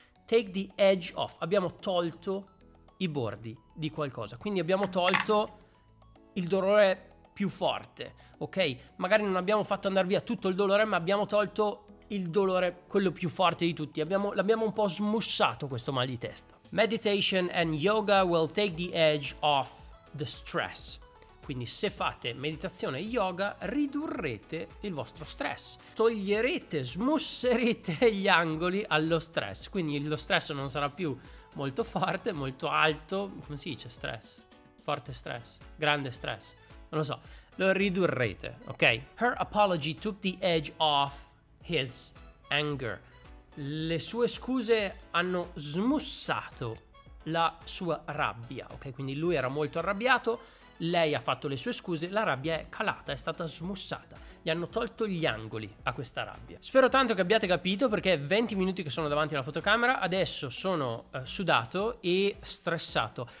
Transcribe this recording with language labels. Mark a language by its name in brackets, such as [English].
[English] Take the edge off. [Italian] Abbiamo tolto i bordi di qualcosa. Quindi abbiamo tolto il dolore più forte, ok? Magari non abbiamo fatto andare via tutto il dolore, ma abbiamo tolto il dolore, quello più forte di tutti. L'abbiamo un po' smussato questo mal di testa. [English] Meditation and yoga will take the edge off the stress. [Italian] Quindi se fate meditazione e yoga, ridurrete il vostro stress. Toglierete, smusserete gli angoli allo stress. Quindi lo stress non sarà più molto forte, molto alto. Come si dice stress? Forte stress? Grande stress? Non lo so. Lo ridurrete, ok? [English] Her apology took the edge off his anger. [Italian] Le sue scuse hanno smussato la sua rabbia, ok? Quindi lui era molto arrabbiato, lei ha fatto le sue scuse, la rabbia è calata, è stata smussata. Gli hanno tolto gli angoli a questa rabbia. Spero tanto che abbiate capito, perché 20 minuti che sono davanti alla fotocamera, adesso sono sudato e stressato.